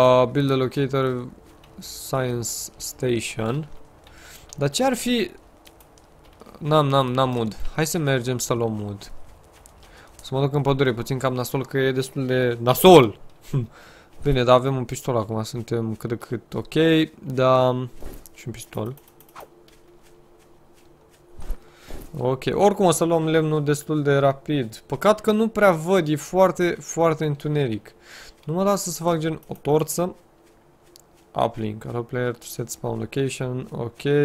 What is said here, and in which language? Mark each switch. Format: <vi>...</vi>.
<en>Build a locator science station.</en> <ro>Dar ce ar fi... N-am mood. Hai să mergem să luăm mood. Să mă duc în pădure, puțin cam nasol, că e destul de nasol. Bine, dar avem un pistol acum, suntem cât de cât ok, dar... Și un pistol. Ok, oricum o să luăm lemnul destul de rapid. Păcat că nu prea văd, e foarte, foarte întuneric. Nu mă lasă să fac gen o torță.</ro> <en>Uplink, allow player to set spawn location, ok.</en>